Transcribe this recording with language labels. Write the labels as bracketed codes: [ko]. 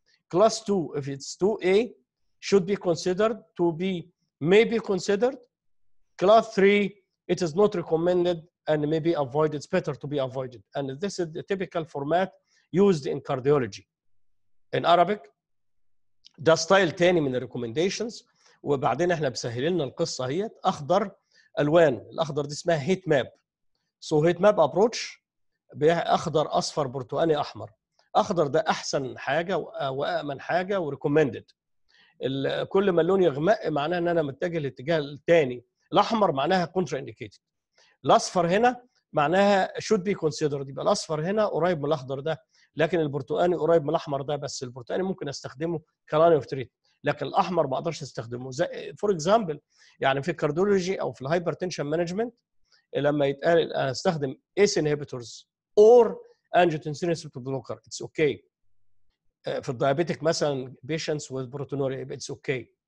[en] Class 2, if it's 2A, should be considered. 2B may be considered. Class 3, it is not recommended and may be avoided. It's better to be avoided. And this is the typical format used in cardiology. In Arabic, the style تاني من the recommendations. [ar] وبعدين احنا بسهل لنا القصة هي أخضر ألوان. الأخضر دي اسمها heat map. So heat map approach بأخضر أصفر برتقاني أحمر. اخضر ده احسن حاجه وامن حاجه وريكومندد. كل ما اللون يغمق معناه ان انا متجه للاتجاه الثاني. الاحمر معناها كونترا انديكيتد. الاصفر هنا معناها شود بي كونسيدرد. يبقى الاصفر هنا قريب من الاخضر ده لكن البرتقاني قريب من الاحمر ده بس البرتقاني ممكن استخدمه كلاني اوف تريت لكن الاحمر ما اقدرش استخدمه. فور اكزامبل يعني في الكاردولوجي او في الهايبرتنشن مانجمنت لما يتقال انا استخدم ايس انهبيتورز اور angiotensin receptor blocker it's okay. [en] في الدايابيتك مثلا patients with proteinuria it's okay.